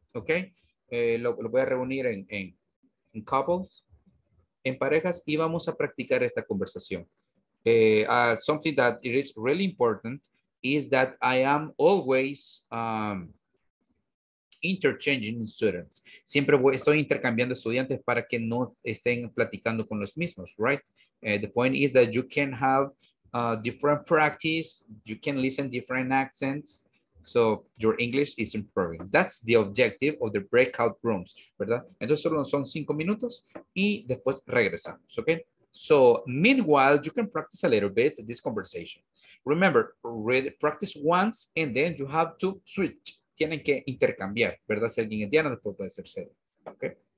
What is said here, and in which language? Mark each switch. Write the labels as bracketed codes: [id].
[es] Okay, lo voy a reunir en couples, en parejas, y vamos a practicar esta conversación. [en] Something that it is really important is that I am always interchanging students. [es] Siempre estoy intercambiando estudiantes para que no estén platicando con los mismos, right? [en] The point is that you can have different practice, you can listen different accents. So your English is improving. That's the objective of the breakout rooms, ¿verdad? [es] Entonces solo son 5 minutos y después regresamos, okay? [en] So meanwhile, you can practice a little bit this conversation. Remember, read, practice once and then you have to switch. [es] Tienen que intercambiar, ¿verdad? Si alguien es Diana, después puede ser Celia, okay?